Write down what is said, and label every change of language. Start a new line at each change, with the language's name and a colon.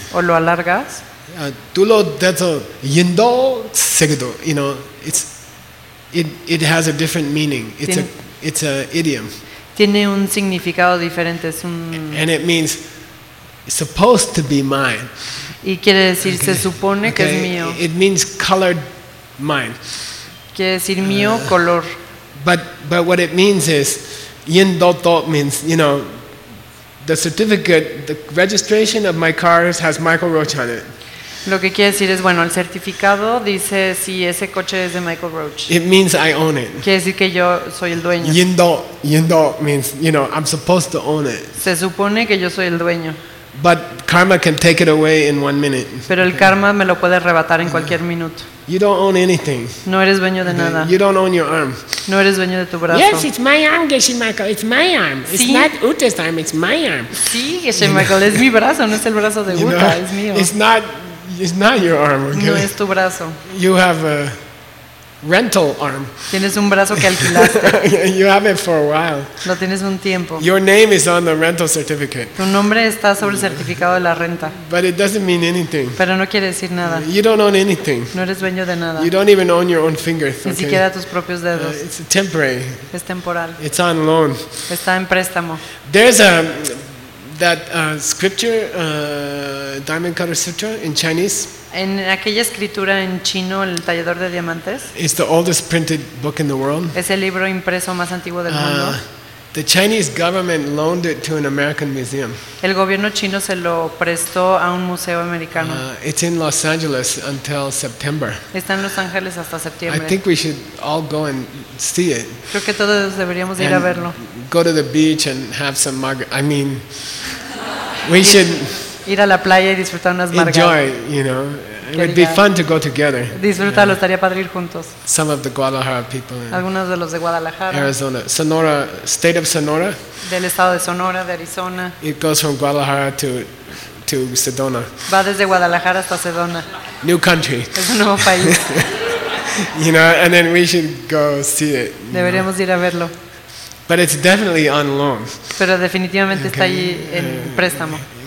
Spanish: O lo alargas.
Tibetan: Dulo deto yindo segdo.
English: You know, it has a different meaning. It's a idiom.
Spanish: Tiene un significado diferente. Es un.
English: And it means supposed to be mine.
Spanish: Y quiere decir se supone que es mío.
English: It means colored mine.
Spanish: Quiere decir mío color.
English: But what it means is yin dot dot means, you know, the certificate, the registration of my cars has Michael Roach on it.
Spanish: Lo que quiere decir es, bueno, el certificado dice si ese coche es de Michael Roach.
English: It means I own it.
Spanish: Quiere decir que yo soy el dueño.
English: Yin do means, you know, I'm supposed to own it.
Spanish: Se supone que yo soy el dueño.
English: But karma can take it away in 1 minute.
Spanish: Pero el karma me lo puede arrebatar en cualquier minuto.
English: You don't own anything.
Spanish: No eres dueño de nada.
English: You don't own your arm.
Spanish: No eres dueño de tu brazo.
English: Yes, it's my arm, Geshe Michael. It's my arm.
Spanish: ¿Sí?
English: It's not Uta's arm. It's my arm.
Spanish: Sí, Geshe Michael, es mi brazo, no es el brazo de Uta,
English: you know,
Spanish: es mío.
English: It's not your arm, okay?
Spanish: No es tu brazo.
English: You have a rental arm.
Spanish: Tienes un brazo que alquilaste.
English: You have it for a while.
Spanish: Lo tienes un tiempo.
English: Your name is on the rental certificate.
Spanish: Tu nombre está sobre el certificado de la renta.
English: But it doesn't mean anything.
Spanish: Pero no quiere decir nada.
English: You don't own anything.
Spanish: No eres dueño de nada.
English: You don't even own your own fingers.
Spanish: Ni siquiera tus propios dedos.
English: It's temporary.
Spanish: Es temporal.
English: It's on loan.
Spanish: Está en préstamo.
English: There's a that scripture, Diamond Cutter Sutra in Chinese.
Spanish: En aquella escritura en chino, el tallador de diamantes.
English: It's the oldest printed book in the world.
Spanish: Es el libro impreso más antiguo del mundo.
English: The Chinese government loaned it to an American museum.
Spanish: El gobierno chino se lo prestó a un museo americano.
English: It's in Los Angeles until September.
Spanish: Está en Los Ángeles hasta septiembre.
English: I think we should all go and see it.
Spanish: Creo que todos deberíamos ir a verlo.
English: Go to the beach and have some we should
Spanish: ir a la playa y disfrutar unas margaritas.
English: Enjoy, you know. It would be fun to go together.
Spanish: Disfrutarlo, estaría padre ir juntos.
English: Some of the Guadalajara people.
Spanish: Algunos de los de Guadalajara.
English: Arizona, Sonora, state of Sonora.
Spanish: Del estado de Sonora, de Arizona.
English: It goes from Guadalajara to Sedona.
Spanish: Va desde Guadalajara hasta Sedona.
English: New country.
Spanish: Es un nuevo país.
English: You know, and then we should go see it.
Spanish: Deberíamos ir a verlo.
English: But it's definitely on loan.
Spanish: Pero definitivamente está allí en préstamo.